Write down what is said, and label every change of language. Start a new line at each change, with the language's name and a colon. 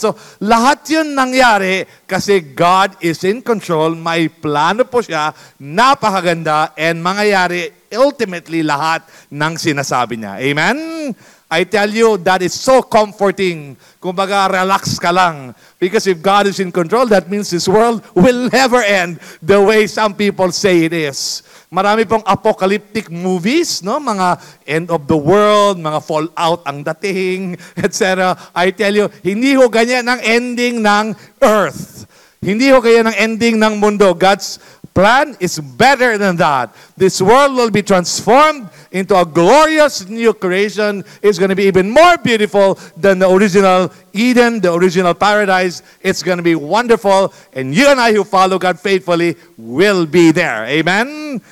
Filipino: So lahat yun nangyari kasi
English: God is in control,
Filipino: may plano po siya, napakaganda, and mangyayari ultimately lahat ng sinasabi niya. Amen?
English: I tell you, that is so comforting.
Filipino: Kumbaga, relax ka lang.
English: Because if God is in control, that means this world will never end the way some people say it is.
Filipino: Marami pong apocalyptic movies, no? Mga end of the world, mga fallout ang dating, etc.
English: I tell you,
Filipino: hindi ho ganyan ang ending ng earth. Hindi ho ganyan ang ending ng mundo.
English: God's plan is better than that. This world will be transformed into a glorious new creation. It's going to be even more beautiful than the original Eden, the original paradise. It's going to be wonderful. And you and I who follow God faithfully will be there. Amen?